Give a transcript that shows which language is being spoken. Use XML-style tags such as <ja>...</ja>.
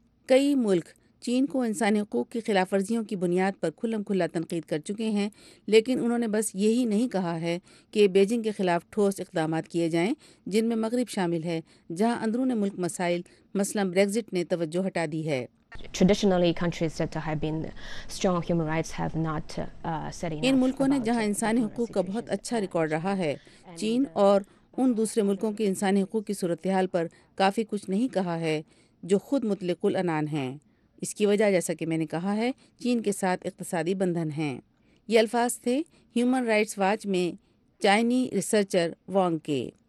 <ur>کئی ملک چین کو انسانی حقوق کی خلاف ورزیوں کی بنیاد پر کھلم کھلا تنقید کر چکے ہیں، لیکن انہوں نے بس یہی نہیں کہا ہے کہ بیجنگ کے خلاف ٹھوس اقدامات کیے جائیں، جن میں مغرب شامل ہے جہاں اندرون ملک مسائل مثلا بریگزٹ نے توجہ ہٹا دی ہے۔</ur> <en>Traditionally, countries that have been strong human rights have not said</en> <ur>ان ملکوں نے جہاں انسانی حقوق کا بہت اچھا ریکارڈ رہا ہے، چین اور ان دوسرے ملکوں کے انسانی حقوق کی صورتحال پر کافی کچھ نہیں کہا ہے جو خود مطلق العنان ہیں۔ اس کی وجہ جیسا کہ میں نے کہا ہے چین کے ساتھ اقتصادی بندھن ہیں۔ یہ الفاظ تھے ہیومن رائٹس واچ میں چائنی ریسرچر وانگ کے۔</ur>